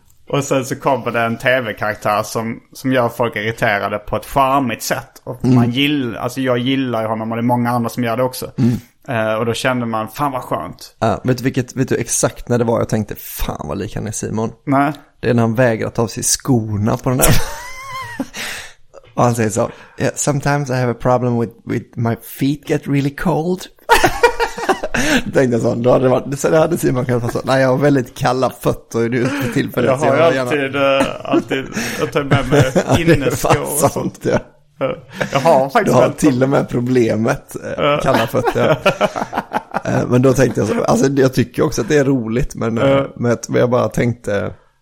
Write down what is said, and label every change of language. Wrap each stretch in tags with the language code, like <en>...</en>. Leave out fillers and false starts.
<sv>Och sen så kommer det en tv-karaktär som gör folk irriterade på ett charmigt sätt. Och man gillar, alltså jag gillar honom, och det är många andra som gör det också. Och då kände man, fan vad skönt. Vet du exakt när det var jag tänkte, fan vad lik han är, Simon? Nej. Det är när han vägrar ta av sig skorna på den där... Och han säger så,</sv> <en>yeah, sometimes I have a problem with my feet get really cold.</en> <sv>Då tänkte jag så, då hade det varit, så det hade Simon kanske sagt, nej, jag har väldigt kalla fötter, du är det till för det. Jag har alltid, jag tar med mig inneskor och sånt. Ja. Jag har faktiskt, du har till och med problemet, kalla fötter. Men då tänkte jag så, alltså jag tycker också att det är roligt, men jag bara tänkte...</sv>